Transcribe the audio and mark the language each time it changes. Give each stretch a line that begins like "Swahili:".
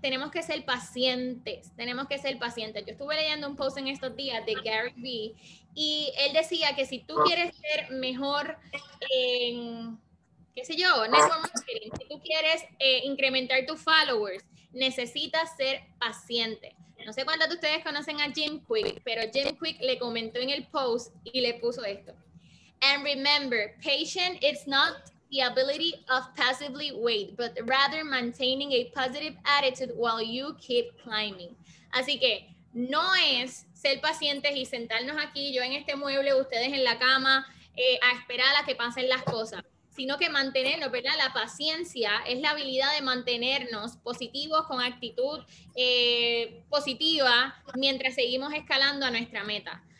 Spanish: Tenemos que ser pacientes, tenemos que ser pacientes. Yo estuve leyendo un post en estos días de Gary Vee y él decía que si tú quieres ser mejor en... qué sé yo, network marketing, si tú quieres incrementar tus followers, necesitas ser paciente. No sé cuántos de ustedes conocen a Jim Quick, pero Jim Quick le comentó en el post y le puso esto.
English: And remember, patient is not the ability of passively wait, but rather maintaining a positive attitude while you keep climbing.
Spanish: Así que no es ser pacientes y sentarnos aquí, yo en este mueble, ustedes en la cama, a esperar a que pasen las cosas, sino que mantenernos, ¿verdad? La paciencia es la habilidad de mantenernos positivos, con actitud positiva, mientras seguimos escalando a nuestra meta.